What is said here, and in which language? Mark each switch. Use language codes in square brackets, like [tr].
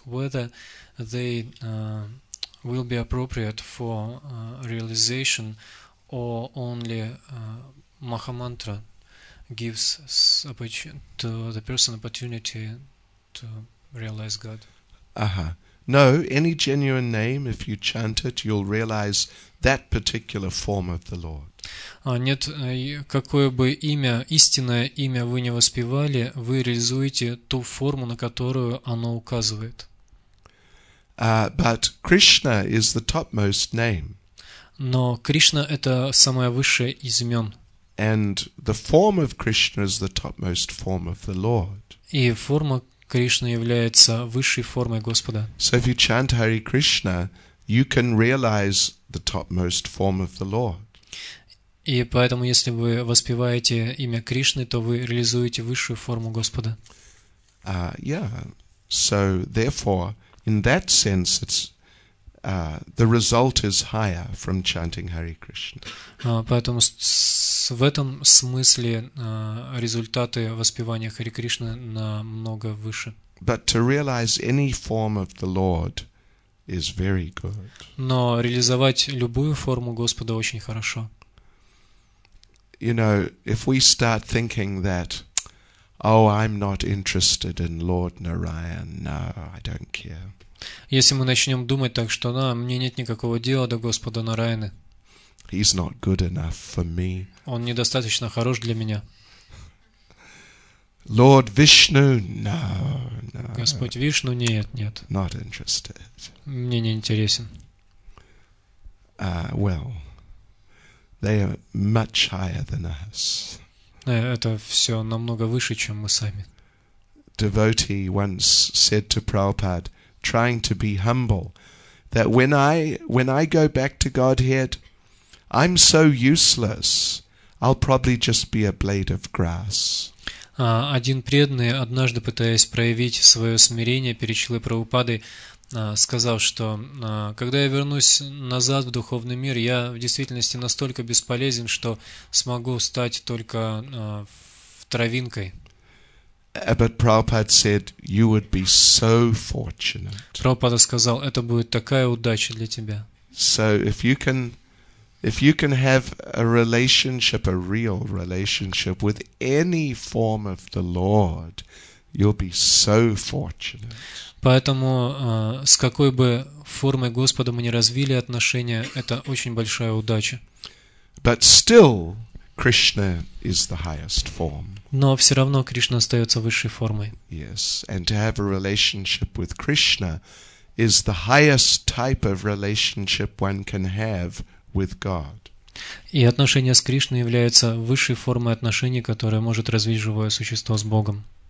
[en] Whether they will be appropriate for realization, or only Mahamantra gives to the person opportunity to realize God. Uh-huh. No, any genuine name, if you chant it, you'll realize that particular form of the Lord. [ru] Нет, какое бы имя, истинное имя вы не воспевали, вы реализуете ту форму, на которую оно указывает. [en] But Krishna is the topmost name. [ru] Но Кришна – это самое высшее из имен. [en] And the form of Krishna is the topmost form of the Lord. [ru] И форма Кришна является высшей формой Господа. [en] So if you chant Hare Krishna, you can realize the topmost form of the Lord. [ru] И поэтому, если вы воспеваете имя Кришны, то вы реализуете высшую форму Господа. [en] Yeah. So therefore, in that sense, it's the result is higher from chanting Hare Krishna. [ru] Поэтому в этом смысле результаты воспевания Хари Кришны намного выше. [en] But to realize any form of the Lord is very good. [ru] Но реализовать любую форму Господа очень хорошо. [en] You know, if we start thinking that, oh, I'm not interested in Lord Narayan, no, I don't care. [ru] Если мы начнем думать так, что мне нет никакого дела до Господа Нарайны. [en] He's not good enough for me. [ru] Он недостаточно хорош для меня. [en] Lord Vishnu, no, no. [ru] Господь Вишну, нет, нет. [en] Not interested. [ru] Мне не интересен. [en] Well, they are much higher than us. [ru] Это все намного выше, чем мы сами. [en] Devotee once said to Prabhupada, trying to be humble, that when I go back to Godhead, I'm so useless, I'll probably just be a blade of grass. [ru] Один преданный, однажды пытаясь проявить свое смирение перед Шрилой Прабхупадой, сказал, что когда я вернусь назад в духовный мир, я в действительности настолько бесполезен, что смогу стать только травинкой. [en] But Prabhupada said, you would be so fortunate. [ru] Прабхупада сказал, это будет такая удача для тебя. [en] So if you can have a relationship, a real relationship with any form of the Lord, you'll be so fortunate. [ru] Поэтому с какой бы формой Господа мы ни развили отношения, это очень большая удача. [en] But still, Krishna is the highest form. [ru] Но все равно Кришна остается высшей формой. [en] Yes, and to have a relationship with Krishna is the highest type of relationship one can have with God. [ru] И отношения с Кришной являются высшей формой отношений, которое может развить живое существо с Богом.